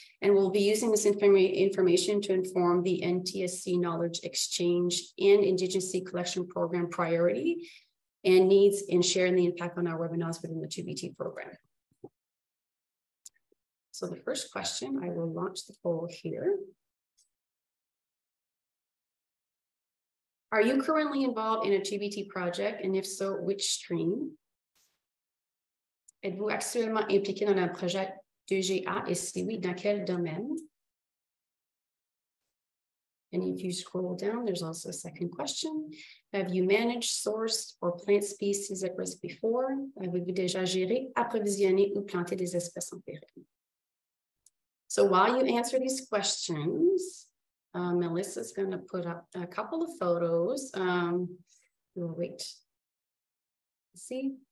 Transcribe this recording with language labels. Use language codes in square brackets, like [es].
[en] And we'll be using this information to inform the NTSC Knowledge Exchange and Indigenous Seed Collection Program priority and needs and sharing the impact on our webinars within the 2BT program. So the first question, I will launch the poll here. Are you currently involved in a GBT project? And if so, which stream? [fr] Êtes-vous actuellement impliqué dans un projet d'EGA? Et si oui, dans quel domaine? [en] And if you scroll down, there's also a second question. Have you managed, sourced, or plant species at risk before? [fr] Avez-vous déjà géré, approvisionné ou planté des espèces en péril? [en] So while you answer these questions, Melissa's going to put up a couple of photos. We'll wait. See?